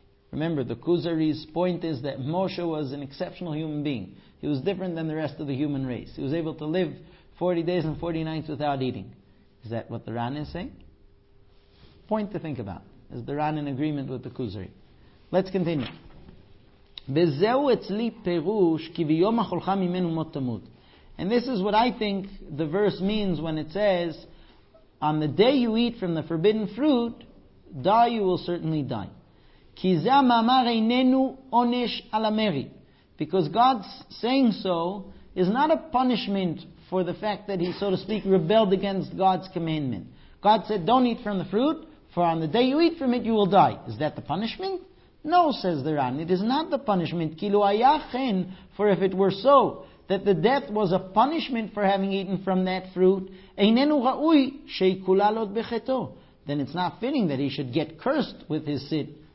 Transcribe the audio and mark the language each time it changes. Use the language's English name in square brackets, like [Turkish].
[English] Remember, the Kuzari's point is that Moshe was an exceptional human being. He was different than the rest of the human race. He was able to live 40 days and 40 nights without eating. Is that what the Ran is saying? Point to think about. Is the Ran in agreement with the Kuzari? Let's continue. [Hebrew] וזהו אצלי פירוש כי ביום החולך ממנו מות תמות. [English] And this is what I think the verse means when it says, on the day you eat from the forbidden fruit, die, you will certainly die. [Hebrew] כי זה המאמר איננו עונש על המרי. [English] Because God's saying so is not a punishment for the fact that he, so to speak, rebelled against God's commandment. God said, don't eat from the fruit, for on the day you eat from it, you will die. Is that the punishment? No, says the Ran, it is not the punishment. [Hebrew] Kilu ayachen, [English] for if it were so, that the death was a punishment for having eaten from that fruit, [Hebrew] einenu ra'ui sheikulalot b'cheto, [English] then it's not fitting that he should get cursed with his sin.